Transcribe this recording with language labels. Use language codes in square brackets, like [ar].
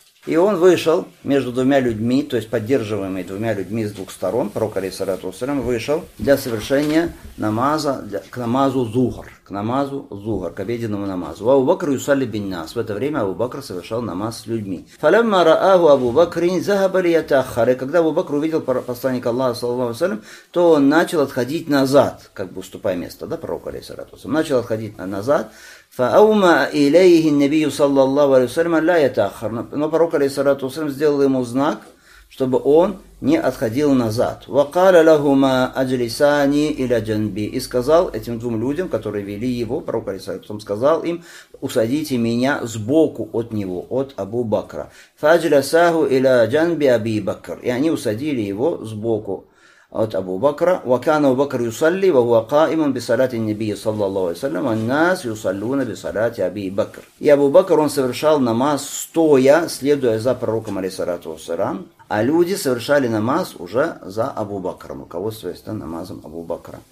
[ru] И он вышел между двумя людьми, то есть поддерживаемый двумя людьми с двух сторон, пророк алейхиссалату вассалям, вышел для совершения намаза, к намазу зухр, к обеденному намазу. [ar] Абу Бакр юсалли биннас. [ru] В это время Абу Бакр совершал намаз с людьми. [ar] Фалямма раагу Абу Бакрин захабали ятахар. [ru] И когда Абу Бакр увидел посланника Аллаха, [ar] саллаллаху алейхи вассалям, [ru] то он начал отходить назад, как бы уступая место, да, пророк алейхиссалату вассалям. Начал отходить назад. [ar] فأومأ إليه النبي صلى الله عليه وسلم لا يتأخر. [ru] Но пророк алейхиссалату вассалям сделал ему знак, чтобы он не отходил назад. [ar] وقال لهما أجلساني إلى جنبي. [ru] И сказал этим двум людям, которые вели его, пророк алейхиссалату вассалям сказал им: усадите меня сбоку от него, от Абу Бакра. [ar] فأجلساه إلى جنب أبي بكر. [ru] И они усадили его сбоку от Абу Бакра. [ar] وكان أبو بكر يصلي وهو قائم بصلاة النبي صلى الله عليه وسلم والناس يصلون بصلاة أبي بكر. [ru] И Абу Бакр, он совершал намаз стоя, следуя за пророком алейхиссалату вассалям, а люди совершали намаз уже за Абу Бакром, руководствуясь намазом Абу Бакра.